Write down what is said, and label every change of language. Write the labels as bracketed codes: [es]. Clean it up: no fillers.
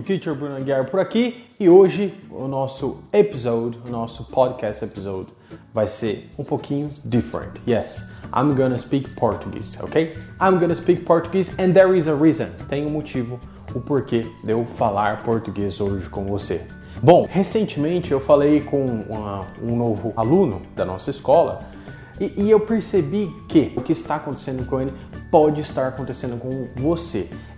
[pt] Teacher Bruno Aguiar por aqui. E hoje o nosso episódio, o nosso [en] podcast episode [pt] vai ser pouquinho [en] different. Yes, I'm gonna speak Portuguese, okay? I'm gonna speak Portuguese and there is a reason. [pt] Tem motivo, o porquê de eu falar português hoje com você. Bom, recentemente eu falei com um novo aluno da nossa escola e eu percebi que o que está acontecendo com ele pode estar acontecendo com você.